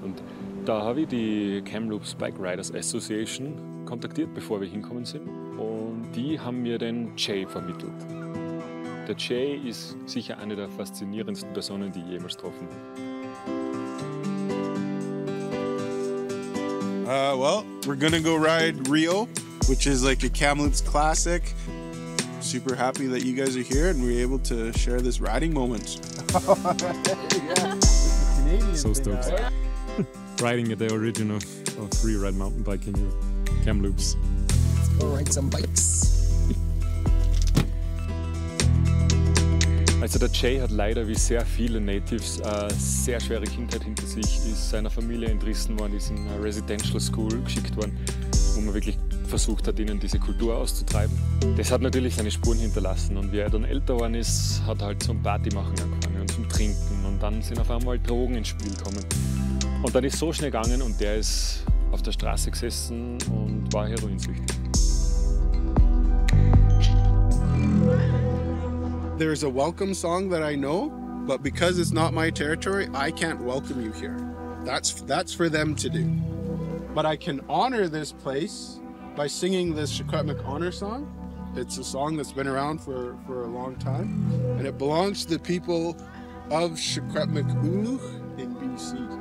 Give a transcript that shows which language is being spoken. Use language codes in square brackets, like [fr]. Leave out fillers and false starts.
[de] Und da habe ich die Kamloops Bike Riders Association kontaktiert, bevor wir hinkommen sind. Und die haben mir den Jay vermittelt. Der Jay ist sicher eine der faszinierendsten Personen, die ich jemals getroffen habe. [en] Well, we're gonna go ride Rio. Which is like a Kamloops classic. Super happy that you guys are here and we're able to share this riding moment. So stoked. Riding at the origin of free ride mountain biking in Kamloops. Let's go ride some bikes. [de] Also der Jay hat leider wie sehr viele Natives eine sehr schwere Kindheit hinter sich, ist seiner Familie entrissen worden, ist in eine Residential School geschickt worden, wo man wirklich versucht hat, ihnen diese Kultur auszutreiben. Das hat natürlich seine Spuren hinterlassen und wie er dann älter geworden ist, hat er halt zum Partymachen angefangen und zum Trinken und dann sind auf einmal Drogen ins Spiel gekommen. Und dann ist so schnell gegangen und der ist auf der Straße gesessen und war heroinsüchtig. [en] There's a welcome song that I know, but because it's not my territory, I can't welcome you here. That's for them to do. But I can honor this place by singing this Shikwetmik honor song. It's a song that's been around for a long time, and it belongs to the people of Shikwetmik Ulugh in BC.